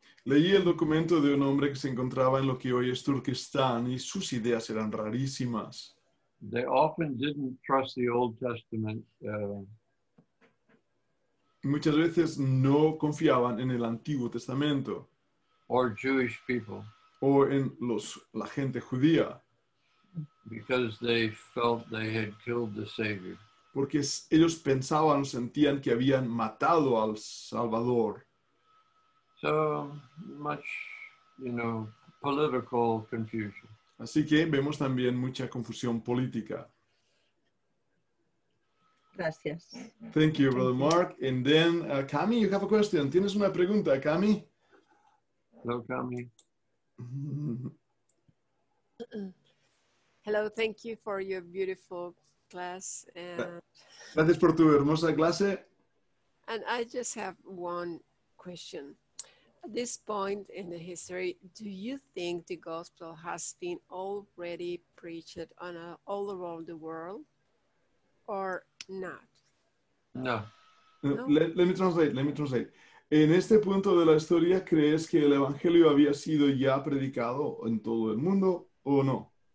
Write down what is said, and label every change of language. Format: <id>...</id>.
<es>Leí el documento de un hombre que se encontraba en lo que hoy es Turkestán y sus ideas eran rarísimas.</es> <en>They often didn't trust the Old Testament.</en> <es>Muchas veces no confiaban en el Antiguo Testamento.</es> <en>Or Jewish people.</en> <es>O en la gente judía.</es> <en>Because they felt they had killed the Savior.</en> <es>Porque ellos pensaban, sentían que habían matado al Salvador.</es> <en>So, much, you know, political confusion.</en> <es>Así que vemos también mucha confusión política. Gracias.</es> <en>Thank you, Brother Mark. And then, Cami, you have a question.</en> <es>¿Tienes una pregunta, Cami?</es> <en>Hello, Cami. Hello, thank you for your beautiful class. And</en> <es>gracias por tu hermosa clase.</es> <en>And I just have one question. At this point in the history, do you think the gospel has been already preached on all around the world or not? No. Let me translate.</en> <es>En este punto de la historia, ¿crees que el evangelio había sido ya predicado en todo el mundo o no?</es>